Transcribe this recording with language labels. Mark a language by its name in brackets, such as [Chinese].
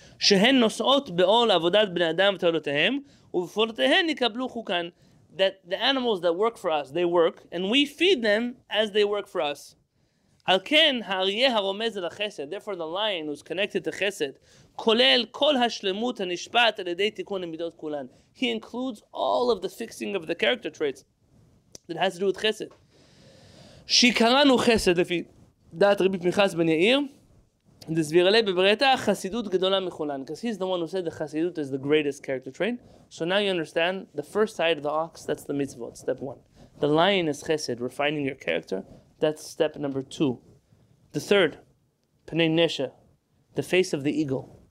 [English] That the animals that work for us, they work, and we feed them as they work for us. Therefore, the lion who's connected to chesed, he includes all of the fixing of the character traits that has to do with chesed. Shikaranu chesed, if you... [Hebrew] דעת רבי פנחס בן יאיר, דסבירלי בבריתה, חסידות גדולה מכולן. [English] Because he's the one who said the חסידות is the greatest character trait. So now you understand, the first side of the ox, that's the mitzvot, step one. The lion is chesed, refining your character, that's step number two. The third, [Hebrew] פני נשא, [English] the face of the eagle.